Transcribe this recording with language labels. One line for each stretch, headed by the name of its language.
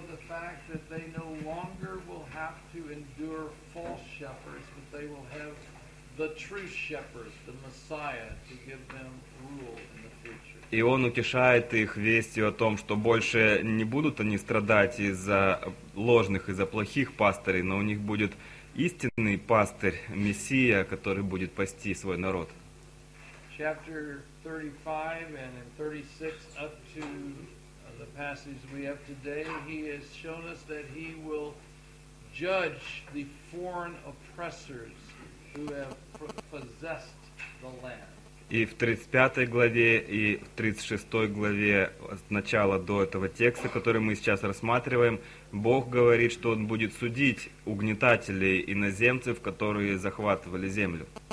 English: fact that they no longer will have to endure false shepherds, but they will have the true shepherds, the Messiah, to give them rule in the future.
Russian: И он утешает их вестью о том, что больше не будут они страдать из-за ложных, из-за плохих пастырей, но у них будет истинный пастырь, Мессия, который будет пасти свой народ.
English: Chapter 35 and in 36 up to the passage we have today, he has shown us that he will judge the foreign oppressors who have possessed the land.
Russian: И в 35 главе, и в 36 главе, с начала до этого текста, который мы сейчас рассматриваем, Бог говорит, что Он будет судить угнетателей, иноземцев, которые захватывали землю.